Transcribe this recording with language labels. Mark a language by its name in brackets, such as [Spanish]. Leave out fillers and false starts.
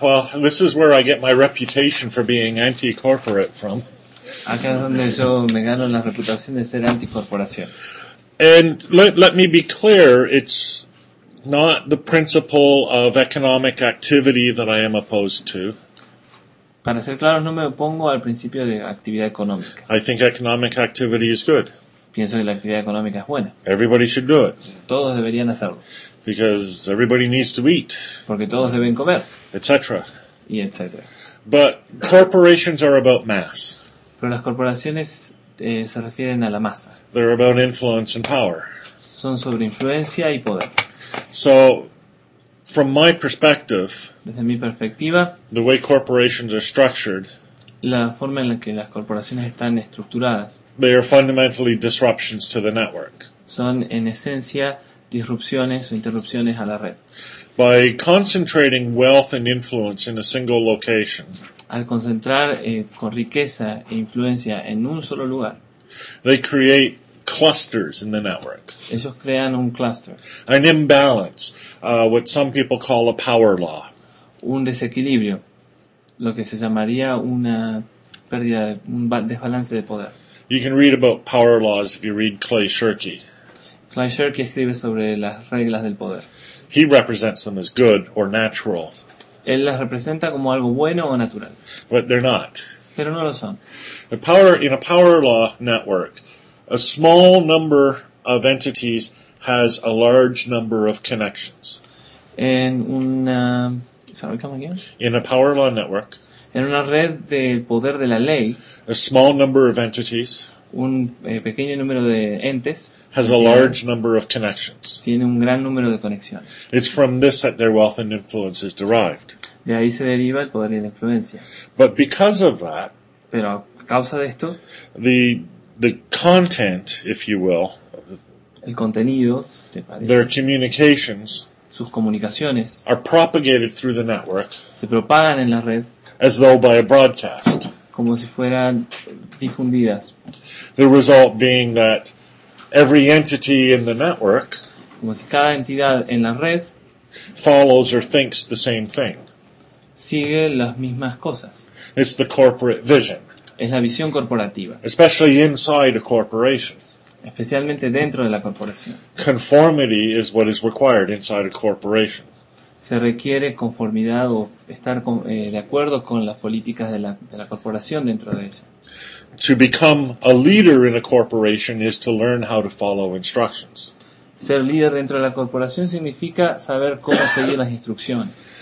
[English] Well, this is where I get my reputation for being anti-corporate from. [Spanish] Acá es donde yo me gano la reputación de ser anticorporación. [English] And let me be clear, it's not the principle of economic activity that I am opposed to. [Spanish] Para ser claros, no me opongo al principio de actividad económica. [English] I think economic activity is good. [Spanish] pienso que la actividad económica es buena. [English] Everybody should do it. [Spanish] Todos deberían hacerlo. [English] Because everybody needs to eat. [Spanish] Porque todos deben comer. [English] Etc. [Spanish] Y etc. [English] But corporations are about mass. [Spanish] Pero las corporaciones se refieren a la masa. [English] They're about influence and power. [Spanish] Son sobre influencia y poder. [English] So, from my perspective, [Spanish] desde mi perspectiva, [English] the way corporations are structured, [Spanish] la forma en la que las corporaciones están estructuradas, [English] they are fundamentally disruptions to the network. [Spanish] Son en esencia disrupciones o interrupciones a la red. [English] By concentrating wealth and influence in a single location, [Spanish] al concentrar con riqueza e influencia en un solo lugar, [English] they create clusters in the network. [Spanish] Ellos crean un cluster. [English] An imbalance, what some people call a power law. [Spanish] Un desequilibrio, lo que se llamaría una pérdida, un desbalance de poder. [English] You can read about power laws if you read Clay Shirky. [Spanish] Clay Shirky escribe sobre las reglas del poder. [English] He represents them as good or natural. [Spanish] Él las representa como algo bueno o natural. [English] But they're not. [Spanish] Pero no lo son. [English] The power in a power law network, a small number of entities has a large number of connections. [Spanish] En una, [English] sorry, come again. In a power law network, [Spanish] en una red del poder de la ley, [English] a small number of entities, [Spanish] un pequeño número de entes, [English] has a large number of connections. [Spanish] Tiene un gran número de conexiones. [English] It's from this that their wealth and influence is derived. [Spanish] De ahí se deriva el poder y la influencia. [English] But because of that, [Spanish] pero a causa de esto, [English] the content, if you will, [Spanish] el contenido, ¿te parece? [English] Their communications, [Spanish] sus comunicaciones, [English] are propagated through the network, [Spanish] se propagan en la red, [English] as though by a broadcast, [Spanish] como si fueran difundidas. [English] The result being that every entity in the network, [Spanish] como si cada entidad en la red, [English] follows or thinks the same thing. [Spanish] Sigue las mismas cosas. [English] It's the corporate vision. [Spanish] Es la visión corporativa. [English] Especially inside a corporation. [Spanish] Especialmente dentro de la corporación. [English] Conformity is what is required inside a corporation. [Spanish] Se requiere conformidad o estar con, de acuerdo con las políticas de la corporación dentro de ella. [English] To become a leader in a corporation is to learn how to follow instructions. [Spanish] Ser líder dentro de la corporación significa saber cómo seguir las instrucciones.